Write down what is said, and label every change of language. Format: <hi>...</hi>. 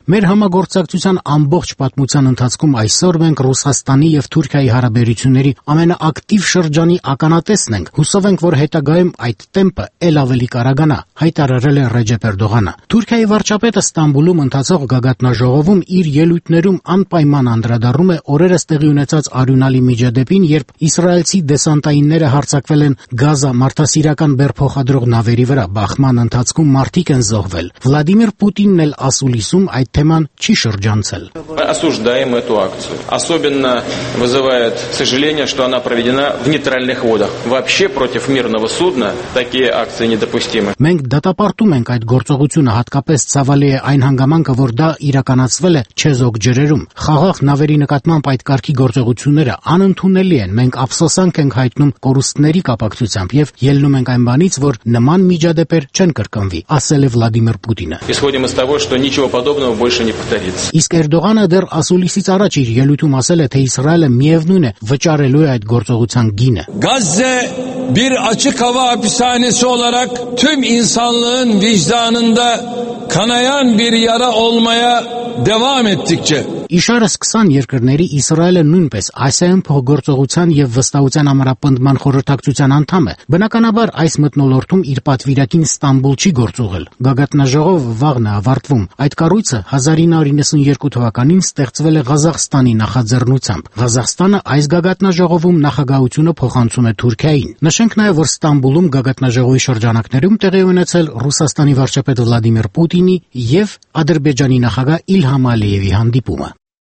<hy>Մեր համագործակցության ամբողջ պատմության ընթացքում այսօր մենք Ռուսաստանի և Թուրքիայի հարաբերությունների ամենաակտիվ շրջանի ականատեսն ենք։ Հուսով ենք, որ հետագայում այդ տեմպը էլ ավելի կարագանա, հայտարարել է Ռեջեփ Էրդողանը։ Թուրքիայի վարչապետը Ստամբուլում ընթացող գագաթնաժողովում իր ելույթներում անպայման անդրադառնում է օրերս տեղի ունեցած արյունալի միջադեպին, երբ իսրայելցի դեսանտայինները հարձակվել են Գազա մարդասիրական բեռփոխադրող նավերի վրա, բախման ընթացքում մարդիկ են զոհվել։ Վլադիմիր Պուտինն էլ ասուլիսում այդ թեման չի շրջանցել։</hy> <ru>Мы осуждаем эту акцию. Особенно вызывает сожаление, что она проведена в нейтральных водах. Вообще против мирного судна такие акции недопустимы.</ru> <hy>Մենք դատապարտում ենք այդ գործողությունը, հատկապես ցավալի է այն հանգամանքը, որ դա իրականացվել է Չեզոք ջրերում։ Խաղաղ նավերի նկատմամբ այդ կարգի գործողությունները անընդունելի են։ Մենք ափսոսանք ենք հայտնում կորուստների կապակցությամբ եւ ելնում ենք այն բանից, որ նման միջադեպեր չեն կրկնվի, ասել է Վլադիմիր Պուտինը։</hy> <ru>Исходим из того, что ничего подобного больше не повторится.</ru> <hy>Իսկ Էրդողանը դեռ ասուլիսից առաջ իր ելույթում ասել է, թե Իսրայելը միևնույն է վճարելու է այդ գործողության գինը։</hy> <tr>Գազա bir açık hava hapishanesi olarak tüm insanlığın vicdanında kanayan bir yara olmaya devam ettikçe.</tr> <hy>Իշարը 20 երկրների Իսրայելը նույնպես ԱՍՀ-ի փոխգործողության եւ վստահության ամրապնդման խորհրդակցության անդամ է։ Բնականաբար այս մտնոլորտում իր պատվիրակին Ստամբուլ չի գործողել։ Գագաթնաժողով վաղն է ավարտվում։ Այդ կառույցը 1992 թվականին ստեղծվել է Ղազախստանի նախաձեռնությամբ։ Ղազախստանը այս գագաթնաժողովում նախագահությունը փոխանցում է Թուրքիային։ Նշենք նաեւ, որ Ստամբուլում գագաթնաժողովի շրջանակներում տեղի ունեցել Ռուսաստանի վարչապետ Վլադիմիր Պուտինի եւ Ադրբեջանի նախագահ Իլհամ Ալիևի հանդիպումը։</hy>